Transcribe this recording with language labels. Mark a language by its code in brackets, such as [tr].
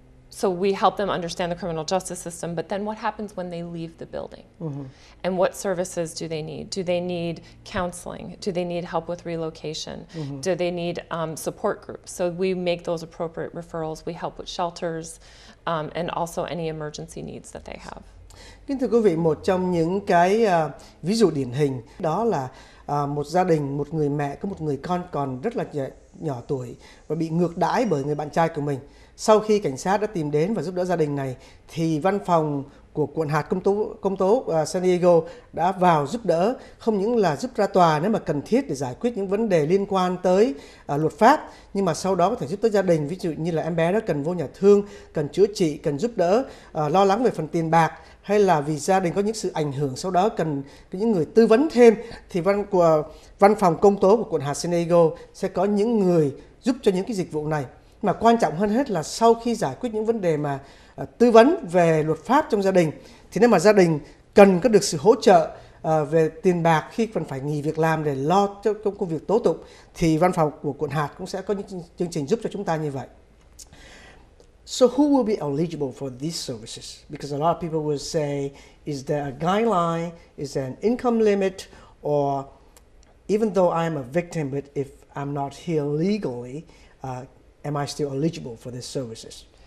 [en] So we help them understand the criminal justice system, but then what happens when they leave the building? Mm-hmm. And what services do they need? Do they need counseling? Do they need help with relocation? Mm-hmm. Do they need support groups? So we make those appropriate referrals. We help with shelters and also any emergency needs that they have. [vi] Kính thưa quý vị, một trong những cái ví dụ điển hình đó là một gia đình, một người mẹ có một người con còn rất là nhỏ tuổi và bị ngược đãi bởi người bạn trai của mình. Sau khi cảnh sát đã tìm đến và giúp đỡ gia đình này thì văn phòng của quận hạt công tố San Diego đã vào giúp đỡ, không những là giúp ra tòa nếu mà cần thiết để giải quyết những vấn đề liên quan tới luật pháp, nhưng mà sau đó có thể giúp tới gia đình, ví dụ như là em bé đó cần vô nhà thương, cần chữa trị, cần giúp đỡ, lo lắng về phần tiền bạc, hay là vì gia đình có những sự ảnh hưởng sau đó cần những người tư vấn thêm, thì văn phòng công tố của quận hạt San Diego sẽ có những người giúp cho những cái dịch vụ này. Mà quan trọng hơn hết là sau khi giải quyết những vấn đề mà tư vấn về luật pháp trong gia đình, thì nếu mà gia đình cần có được sự hỗ trợ về tiền bạc khi còn phải nghỉ việc làm để lo cho công việc tố tụng, thì văn phòng của quận hạt cũng sẽ có những chương trình giúp cho chúng ta như vậy. [en] So who will be eligible for these services? Because a lot of people will say, is there a guideline, is there an income limit, or even though I am a victim, but if I'm not here legally, am I still eligible for these services?